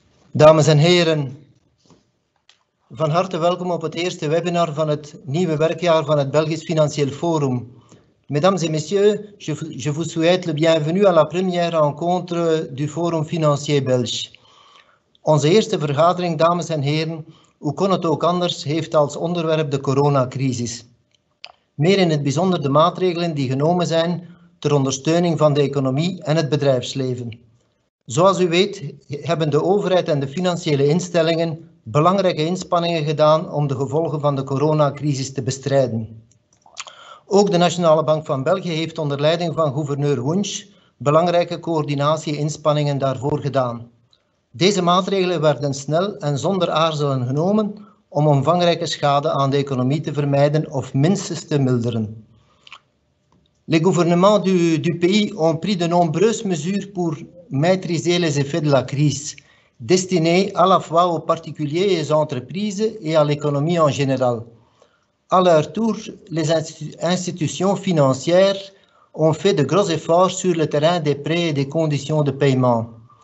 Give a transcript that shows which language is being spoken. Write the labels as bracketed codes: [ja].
[nl] Dames en heren, van harte welkom op het eerste webinar van het nieuwe werkjaar van het Belgisch Financieel Forum. [fr] Mesdames et messieurs, je vous souhaite le bienvenu à la première rencontre du Forum Financier Belge. [nl] Onze eerste vergadering, dames en heren, hoe kon het ook anders, heeft als onderwerp de coronacrisis. Meer in het bijzonder de maatregelen die genomen zijn ter ondersteuning van de economie en het bedrijfsleven. Zoals u weet, hebben de overheid en de financiële instellingen belangrijke inspanningen gedaan om de gevolgen van de coronacrisis te bestrijden. Ook de Nationale Bank van België heeft onder leiding van gouverneur Wunsch belangrijke coördinatie-inspanningen daarvoor gedaan. Deze maatregelen werden snel en zonder aarzelen genomen om omvangrijke schade aan de economie te vermijden of minstens te milderen. [fr] Les gouvernements du pays ont pris de nombreuses mesures pour maîtriser les effets de la crise, destinés à la fois aux particuliers et aux entreprises et à l'économie en général. À leur tour, les institutions financières ont fait de gros efforts sur le terrain des prêts et des conditions de paiement.